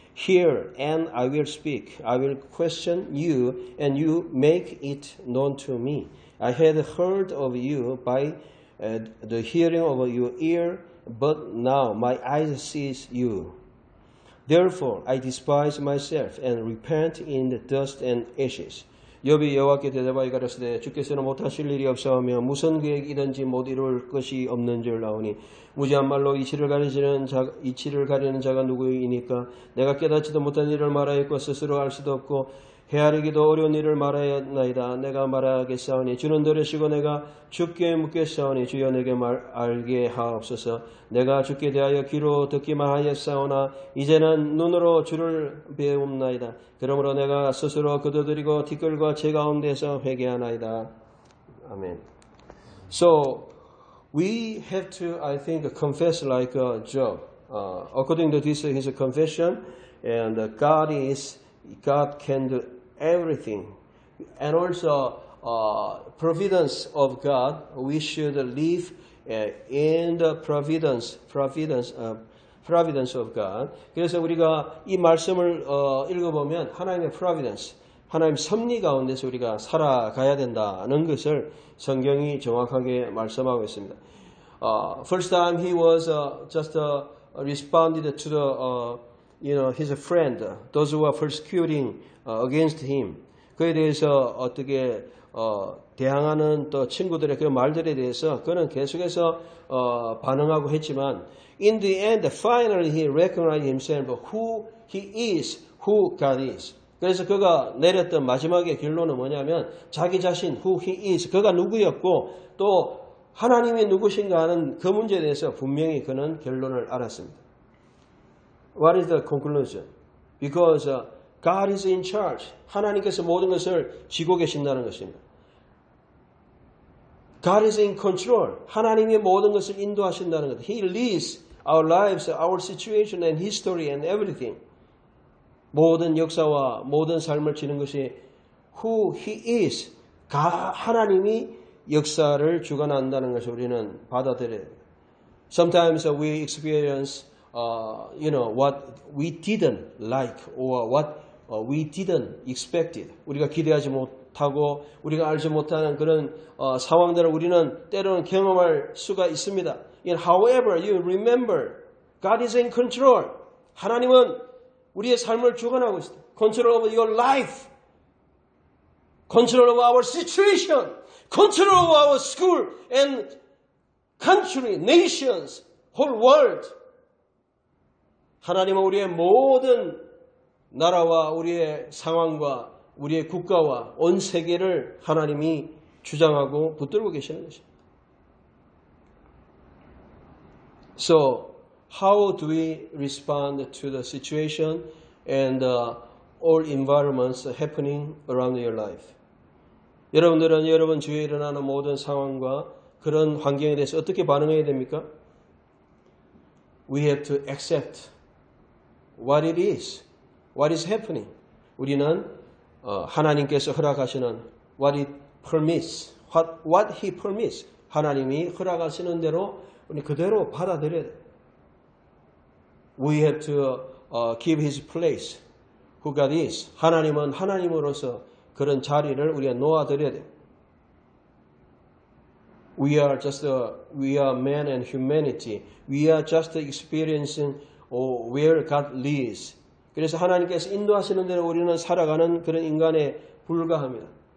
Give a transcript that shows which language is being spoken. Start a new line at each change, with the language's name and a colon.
English: Hear, and I will speak. I will question you, and you make it known to me. I had heard of you by the hearing of your ear, but now my eyes sees you. Therefore, I despise myself and repent in the dust and ashes.
Korean: 욥이 여호와께 대답하여 가로되 주께서는 못하실 일이 없사오며 무슨 계획이든지 못 이룰 것이 없는 줄 나오니 무지한 말로 이치를 가리는 자가 누구이니까 내가 깨닫지도 못한 일을 말하였고 스스로 알 수도 없고 헤아리기도 어려운 일을 말하였나이다 내가 말하겠사오니 주는 들으시고 내가 주께 묻겠사오니 주여 내게 말 알게 하옵소서 내가 주께 대하여 귀로 듣기만 하였사오나 이제는 눈으로 주를 배웁나이다 그러므로 내가 스스로 거둬들이고 티끌과 제 가운데서 회개하나이다 아멘.
English: So we have to I think confess like a Job according to this his confession and God is God can do everything. And also, providence of God, we should live in the providence of God.
Korean: 그래서 우리가 이 말씀을 읽어보면 하나님의 providence, 하나님 섭리 가운데서 우리가 살아가야 된다는 것을 성경이 정확하게 말씀하고 있습니다.
English: First time he was responded to the his friend, those who were persecuting against him.
Korean: 그에 대해서 어떻게 대항하는 또 친구들의 그 말들에 대해서 그는 계속해서 반응하고 했지만,
English: in the end, finally he recognized himself who he is, who God is.
Korean: 그래서 그가 내렸던 마지막의 결론은 뭐냐면 자기 자신
English: who he is,
Korean: 그가 누구였고 또 하나님이 누구신가 하는 그 문제에 대해서 분명히 그는 결론을 알았습니다.
English: What is the conclusion? Because God is in charge.
Korean: 하나님께서 모든 것을 쥐고 계신다는 것입니다.
English: God is in control.
Korean: 하나님이 모든 것을 인도하신다는 것.
English: He leads our lives, our situation and history and everything.
Korean: 모든 역사와 모든 삶을 지는 것이
English: who he is.
Korean: 하나님이 역사를 주관한다는 것을 우리는 받아들여야 합니다.
English: Sometimes we experience what we didn't like or what we didn't expect it.
Korean: 우리가 기대하지 못하고 우리가 알지 못하는 그런 상황들을 우리는 때로는 경험할 수가 있습니다.
English: And however, you remember God is in control.
Korean: 하나님은 우리의 삶을 주관하고 있어.
English: Control of your life. Control of our situation. Control of our school and country, nations, whole world.
Korean: 하나님은 우리의 모든 나라와 우리의 상황과 우리의 국가와 온 세계를 하나님이 주장하고 붙들고 계시는 것입니다.
English: So, how do we respond to the situation and all environments happening around your life?
Korean: 여러분들은 여러분 주위에 일어나는 모든 상황과 그런 환경에 대해서 어떻게 반응해야 됩니까?
English: We have to accept what it is. What is happening?
Korean: 우리는 하나님께서 허락하시는
English: what it permits, what he permits.
Korean: 하나님이 허락하시는 대로 우리 그대로 받아들여야 돼.
English: We have to give his place who God is.
Korean: 하나님은 하나님으로서 그런 자리를 우리가 놓아드려야 돼.
English: We are man and humanity. We are just experiencing where God leads.
Korean: 그래서 하나님께서 인도하시는 대로 우리는 살아가는 그런 인간에 불과합니다.